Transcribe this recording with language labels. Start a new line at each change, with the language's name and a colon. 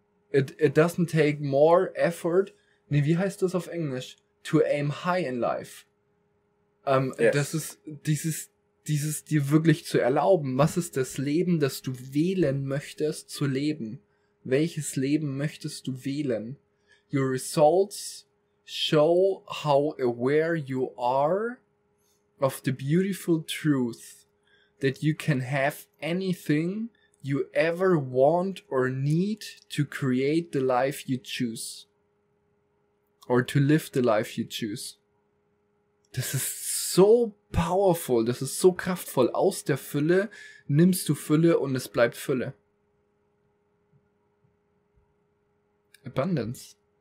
English: It doesn't take more effort.
German: Nee, wie heißt das auf Englisch?
English: To aim high in life. Yes.
German: Das ist dieses dir wirklich zu erlauben. Was ist das Leben, das du wählen möchtest zu leben? Welches Leben möchtest du wählen?
English: Your results show how aware you are of the beautiful truth that you can have anything you ever want or need to create the life you choose. Or to live the life you choose.
German: Das ist so powerful, das ist so kraftvoll. Aus der Fülle nimmst du Fülle und es bleibt Fülle.
English: Abundance.